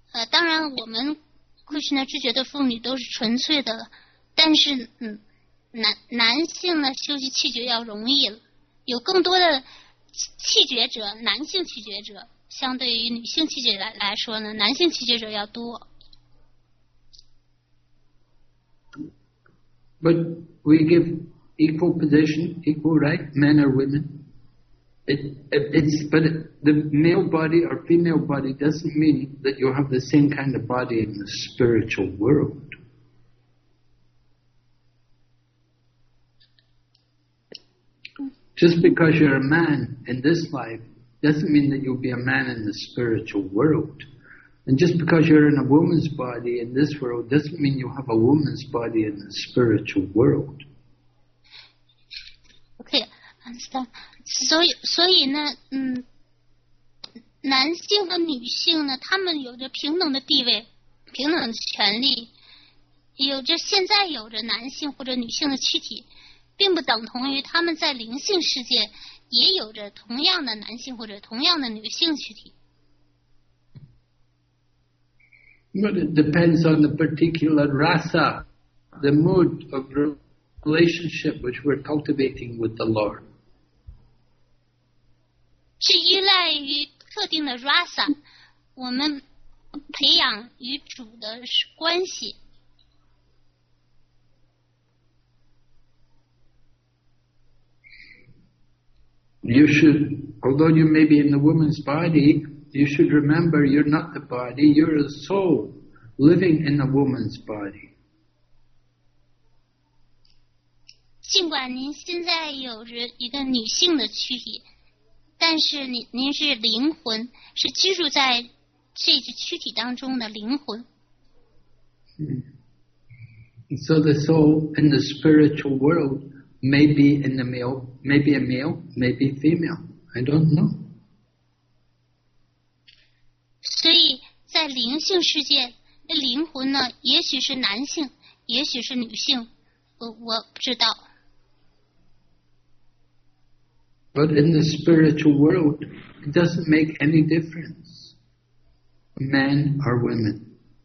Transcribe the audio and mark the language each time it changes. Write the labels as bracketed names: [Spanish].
[Chinese] 当然我们 Krishna 知觉的妇女都是纯粹的，但是男性呢修习气绝要容易了，有更多的气绝者，男性气绝者，相对于女性气绝来说呢，男性气绝者要多。 [English] But we give equal position, equal right, men or women. But the male body or female body doesn't mean that you have the same kind of body in the spiritual world. Just because you're a man in this life doesn't mean that you'll be a man in the spiritual world. And just because you're in a woman's body in this world doesn't mean you have a woman's body in the spiritual world. Okay, understand. [Chinese] 所以呢，男性和女性呢，他们有着平等的地位，平等的权利，有着现在有着男性或者女性的躯体。并不等同于他们在灵性世界也有着同样的男性或者同样的女性躯体。 [English] But it depends on the particular rasa, the mood of relationship which we're cultivating with the Lord. [Chinese] 是依赖于特定的 rasa, 我们培养与主的关系。 [English] You should, although you may be in the woman's body, you should remember you're not the body, you're a soul living in a woman's body. [Chinese] 尽管您现在有着一个女性的躯体，但是您是灵魂，是居住在这具躯体当中的灵魂。 [English] So the soul in the spiritual world. Maybe in the male, maybe a male, maybe female. I don't know. [Chinese] 所以在灵性世界，灵魂呢，也许是男性，也许是女性，我不知道。 [English] But in the spiritual world, it doesn't make any difference, men or women.